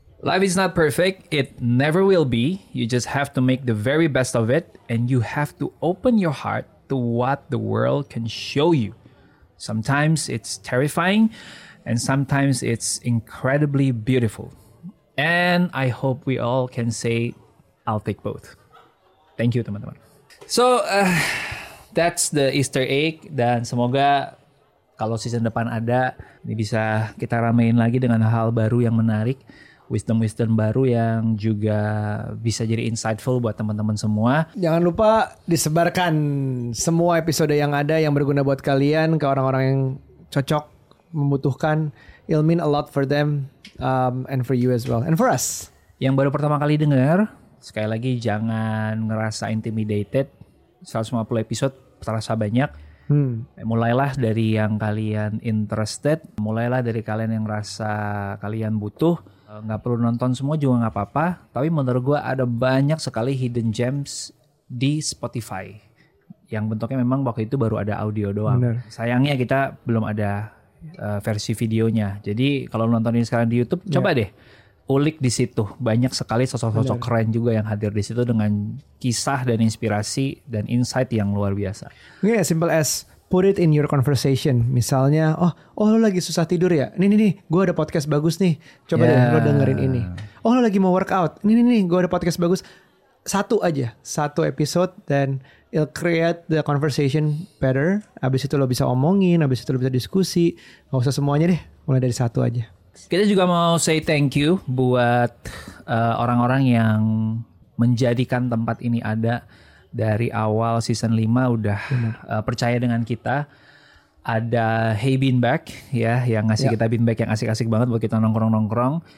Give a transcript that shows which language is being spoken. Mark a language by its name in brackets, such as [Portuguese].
[English] Life is not perfect, it never will be. You just have to make the very best of it, and you have to open your heart to what the world can show you. Sometimes it's terrifying, and sometimes it's incredibly beautiful. And I hope we all can say, I'll take both. Thank you, [Indonesian] teman-teman. [English] So, that's the Easter egg, [Indonesian] dan semoga kalau season depan ada, ini bisa kita ramein lagi dengan hal baru yang menarik, wisdom-wisdom baru yang juga bisa jadi insightful buat teman-teman semua. Jangan lupa disebarkan semua episode yang ada yang berguna buat kalian ke orang-orang yang cocok, membutuhkan. [English] It'll mean a lot for them and for you as well, and for us. [Indonesian] Yang baru pertama kali dengar, sekali lagi jangan ngerasa intimidated. 150 episode terasa banyak. Mulailah dari yang kalian interested, mulailah dari kalian yang rasa kalian butuh. Gak perlu nonton semua juga gak apa-apa, tapi menurut gue ada banyak sekali [English] hidden gems [Indonesian] di Spotify yang bentuknya memang waktu itu baru ada audio doang. Bener. Sayangnya kita belum ada versi videonya, jadi kalau nonton ini sekarang di YouTube, coba deh ulik di situ, banyak sekali sosok-sosok keren juga yang hadir di situ dengan kisah dan inspirasi dan insight yang luar biasa. [English] Oke, simple as put it in your conversation. [Indonesian] Misalnya, oh lo lagi susah tidur ya? Nih, gue ada podcast bagus nih. Coba deh lo dengerin ini. Oh lo lagi mau workout? Nih, gue ada podcast bagus. Satu aja, satu episode, [English] then it'll create the conversation better. [Indonesian] Abis itu lo bisa omongin, abis itu lo bisa diskusi. Gak usah semuanya deh, mulai dari satu aja. Kita juga mau [English] say thank you [Indonesian] buat orang-orang yang menjadikan tempat ini ada. Dari awal season 5 udah percaya dengan kita. Ada Hey Beanbag ya, yang ngasih kita beanbag yang asik-asik banget buat kita nongkrong-nongkrong.